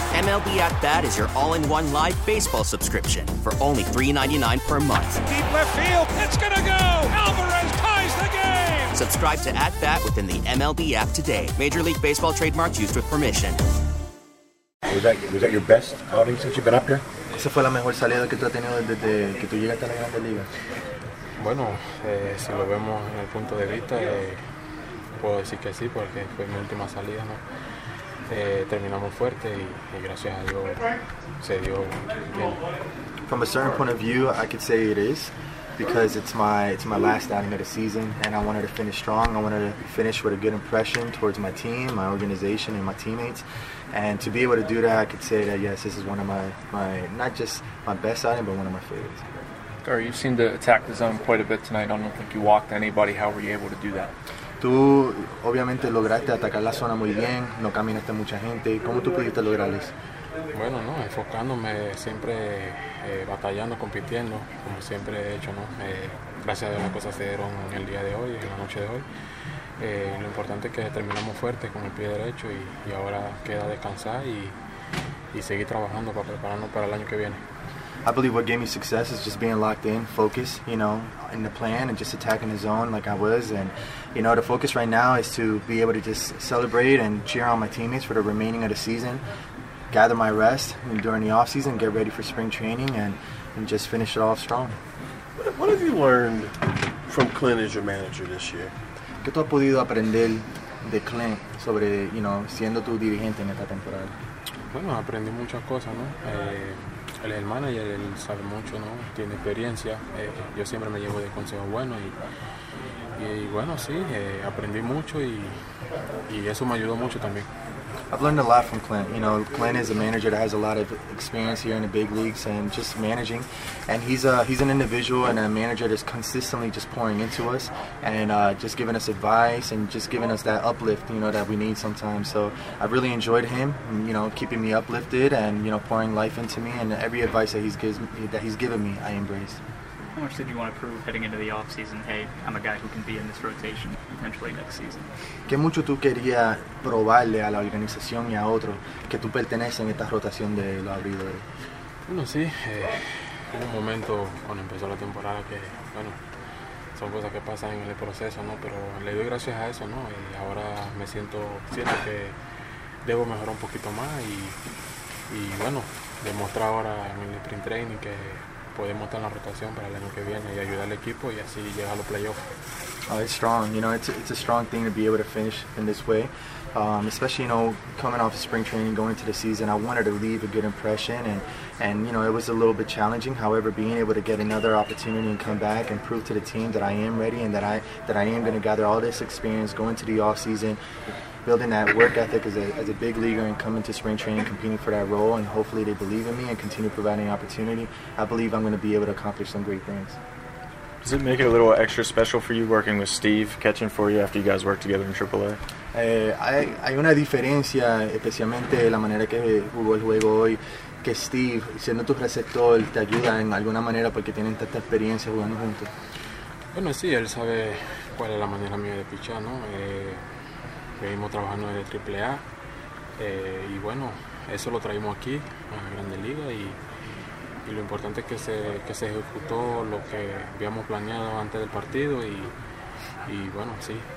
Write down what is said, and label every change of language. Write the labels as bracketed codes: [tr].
[en] MLB At-Bat is your all-in-one live baseball subscription for only $3.99 per month. Deep left field, it's gonna go! Alvarez ties the game! Subscribe to At-Bat within the MLB app today. Major League Baseball trademarks used with permission. Was that your best outing since you've been up here? [es] Esa fue la mejor salida que tú has tenido desde que tú llegaste a la Grandes Ligas. Bueno, si lo vemos en el punto de vista, puedo decir que sí, porque fue mi última salida, ¿no? Terminamos fuerte y gracias a Dios se dio bien. [en] From a certain point of view, I could say it is, because it's my last outing of the season, and I wanted to finish strong. I wanted to finish with a good impression towards my team, my organization, and my teammates. And to be able to do that, I could say that, yes, this is one of my not just my best outing, but one of my favorites. Dario, you seemed to attack the zone quite a bit tonight. I don't think you walked anybody. How were you able to do that? [es] Tú, obviamente, lograste atacar la zona muy bien. No caminaste mucha gente. ¿Cómo tú pudiste lograr eso? Bueno, no, enfocándome, siempre batallando, compitiendo, como siempre he hecho, ¿no? Gracias a Dios las cosas se dieron en el día de hoy, en la noche de hoy. Lo importante es que terminamos fuerte con el pie derecho y ahora queda descansar y seguir trabajando para prepararnos para el año que viene. [en] I believe what gave me success is just being locked in, focused, you know, in the plan and just attacking the zone like I was. And, you know, the focus right now is to be able to just celebrate and cheer on my teammates for the remaining of the season. Gather my rest during the off season. Get ready for spring training, and just finish it off strong. What have you learned from Clint as your manager this year? [es] ¿Qué tú has podido aprender de Clint sobre, [en] you know, [es] siendo tu dirigente en esta temporada? Bueno, aprendí muchas cosas, ¿no? Él es el manager, él sabe mucho, ¿no? Tiene experiencia. Yo siempre me llevo de consejos buenos y bueno, sí, aprendí mucho y eso me ayudó mucho también. [en] I've learned a lot from Clint. You know, Clint is a manager that has a lot of experience here in the big leagues and just managing. And he's an individual and a manager that's consistently just pouring into us and just giving us advice and just giving us that uplift, you know, that we need sometimes. So I've really enjoyed him, you know, keeping me uplifted and, you know, pouring life into me. And every advice that he's given me, I embrace. How much did you want to prove heading into the offseason, hey, I'm a guy who can be in this rotation potentially next season? [es] ¿Qué mucho tú querías probarle a la organización y a otros que tú perteneces en esta rotación de los abridores? Bueno, sí. Hubo un momento cuando empezó la temporada que, bueno, son cosas que pasan en el proceso, ¿no? Pero le doy gracias a eso, ¿no? Y ahora me siento que debo mejorar un poquito más y bueno, demostrar ahora en el sprint training que podemos estar en la rotación para el año que viene y ayudar al equipo y así llegar a los playoffs. [en] Oh, it's strong. You know, it's a strong thing to be able to finish in this way. Especially, you know, coming off of spring training, going into the season, I wanted to leave a good impression and you know, it was a little bit challenging. However, being able to get another opportunity and come back and prove to the team that I am ready and that I am going to gather all this experience going to the off season, building that work ethic as a big leaguer and coming to spring training, competing for that role, and hopefully they believe in me and continue providing opportunity, I believe I'm going to be able to accomplish some great things. Does it make it a little extra special for you working with Steve catching for you after you guys worked together in AAA? [es] Hay una diferencia, especialmente la manera que jugó el juego hoy, que Steve, siendo tu receptor, te ayuda en alguna manera porque tienen tanta experiencia jugando juntos. Bueno, sí, él sabe cuál es la manera mía de pichar, ¿no? Venimos trabajando desde AAA y bueno, eso lo traímos aquí, a la Grande Liga, y lo importante es que se ejecutó lo que habíamos planeado antes del partido y bueno, sí.